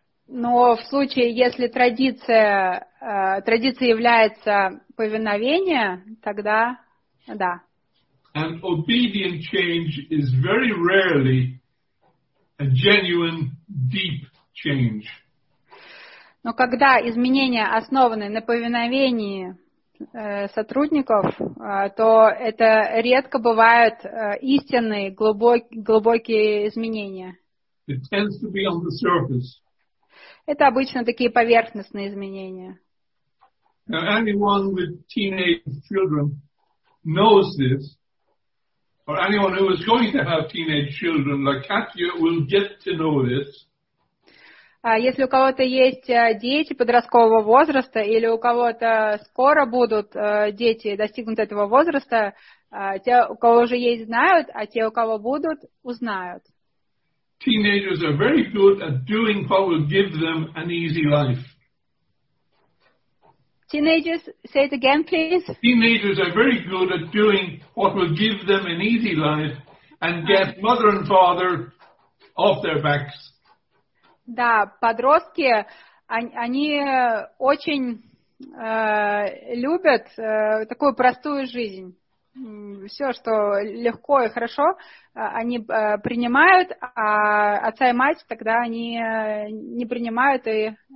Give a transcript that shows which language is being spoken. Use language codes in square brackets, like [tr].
[ru] Но в случае, если традиция является повиновение, тогда да. [en] And obedient change is very rarely a genuine, deep change. [ru] Но когда изменения основаны на повиновении сотрудников, то это редко бывают истинные, глубокие изменения. [en] It tends to be on the surface. [ru] Это обычно такие поверхностные изменения. [en] Now, anyone with teenage children knows this, or anyone who is going to have teenage children, like Katya, will get to know this. [ru] Если у кого-то есть дети подросткового возраста, или у кого-то скоро будут дети достигнут этого возраста, те, у кого уже есть, знают, а те, у кого будут, узнают. [en] Teenagers are very good at doing what will give them an easy life. Teenagers, say it again, please. Teenagers are very good at doing what will give them an easy life and get mother and father off their backs. [ru] Да, подростки, они очень любят такую простую жизнь. Все, что легко и хорошо, они принимают, а отца и мать тогда они не принимают и...